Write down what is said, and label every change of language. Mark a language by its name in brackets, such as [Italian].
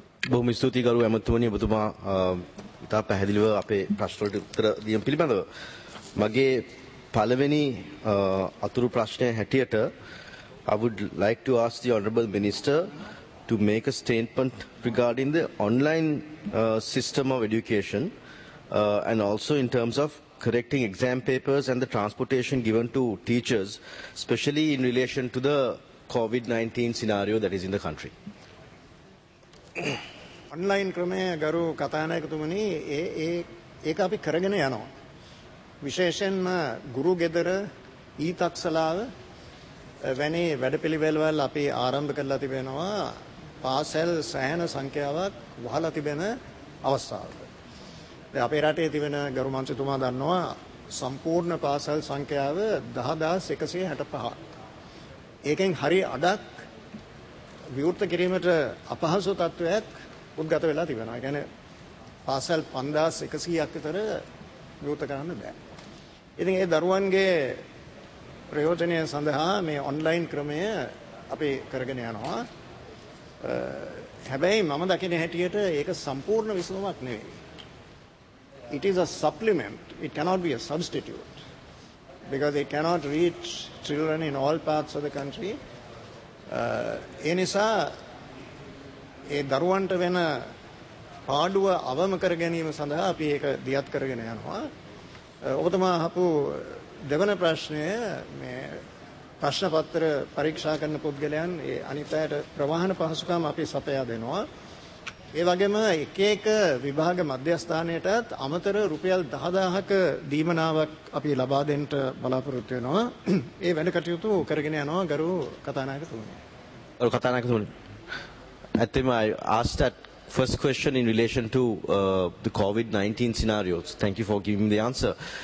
[Sinhala] බොහොම ස්තුතියි ගරු ඇමතුමනි ඔබතුමා ඉතා පැහැදිලිව අපේ ප්‍රශ්නවලට උත්තර දීම පිළිබඳව. මගේ පළවෙනි අතුරු ප්‍රශ්නය හැටියට [English] I would like to ask the Honorable Minister to make a statement regarding the online system of education and also in terms of correcting exam papers and the transportation given to teachers, especially in relation to the COVID-19 scenario that is in the country. [Sinhala] Online ක්‍රමය ගරු කතානායකතුමනි, ඒ ඒ ඒක අපි කරගෙන යනවා. විශේෂයෙන්ම ගුරු ගෙදර ඊතක්සලාව වැනි වැඩපිළිවෙළවල් අපි ආරම්භ කරලා තිබෙනවා. පාසල් සෑහෙන සංඛ්‍යාවක් වහලා තිබෙන අවස්ථාවක. දැන් අපේ රටේ තිබෙන ගරු මන්ත්‍රීතුමා දන්නවා සම්පූර්ණ පාසල් සංඛ්‍යාව 10,165. ඒකෙන් හරි අඩක් විවෘත කිරීමට අපහසු තත්ත්වයක් උද්ගත වෙලා තිබෙනවා. ඒ කියන්නේ පාසල් 5,100ක් විතර විවෘත කරන්න බෑ. ඉතින් ඒ දරුවන්ගේ ප්‍රයෝජනය සඳහා මේ ඔන්ලයින් ක්‍රමය අපි කරගෙන යනවා. හැබැයි මම දකින හැටියට ඒක සම්පූර්ණ විසඳුමක් නෙවෙයි. [English] It is a supplement. It cannot be a substitute. Because they cannot reach children in all parts of the country. [Sinhala] ඒ නිසා ඒ දරුවන්ට වෙන පාඩුව අවම කර ගැනීම සඳහා අපි ඒක දියත් කරගෙන යනවා. ඔබතුමා අහපු දෙවන ප්‍රශ්නය මේ ප්‍රශ්න පත්‍ර පරීක්ෂා කරන පුද්ගලයන් ඒ අනිත්‍යයට ප්‍රවාහන පහසුකම් අපි සපයා දෙනවා. ඒ වගේම එක එක විභාග මධ්‍යස්ථානයටත් අමතර රුපියල් 10,000ක දීමනාවක් අපි ලබා දෙන්න බලාපොරොත්තු වෙනවා. ඒ වැඩ කටයුතු කරගෙන යනවා ගරු කතානායකතුමනි. ගරු කතානායකතුමනි, [English] I think I asked that first question in relation to the COVID-19 scenarios. Thank you for giving me the answer.